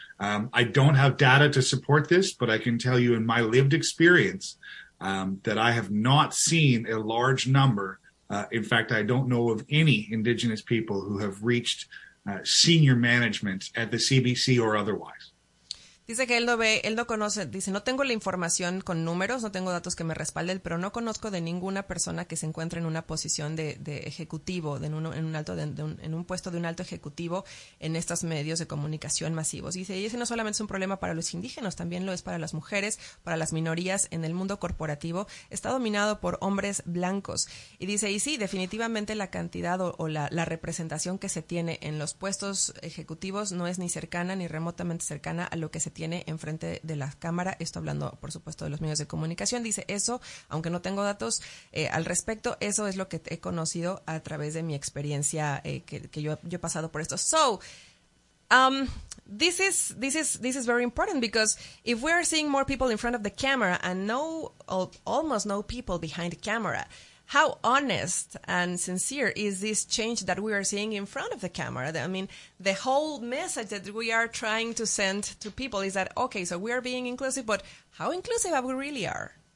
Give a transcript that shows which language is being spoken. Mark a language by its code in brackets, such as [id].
[en] I don't have data to support this, but I can tell you in my lived experience that I have not seen a large number. In fact, I don't know of any Indigenous people who have reached senior management at the CBC or otherwise. [es] Dice que él no conoce, no tengo la información con números, no tengo datos que me respalden, pero no conozco de ninguna persona que se encuentre en una posición de ejecutivo, en un puesto de un alto ejecutivo en estos medios de comunicación masivos. Dice, y ese no solamente es un problema para los indígenas, también lo es para las mujeres, para las minorías en el mundo corporativo. Está dominado por hombres blancos. Y dice, y sí, definitivamente la cantidad o la representación que se tiene en los puestos ejecutivos no es ni cercana ni remotamente cercana a lo que se tiene enfrente de la cámara. Estoy hablando, por supuesto, de los medios de comunicación. Dice, eso, aunque no tengo datos al respecto, eso es lo que he conocido a través de mi experiencia que yo he pasado por esto. [en] So, this is very important, because if we are seeing more people in front of the camera and almost no people behind the camera, how honest and sincere is this change that we are seeing in front of the camera? I mean, the whole message that we are trying to send to people is that, okay, so we are being inclusive, but how inclusive are we really are?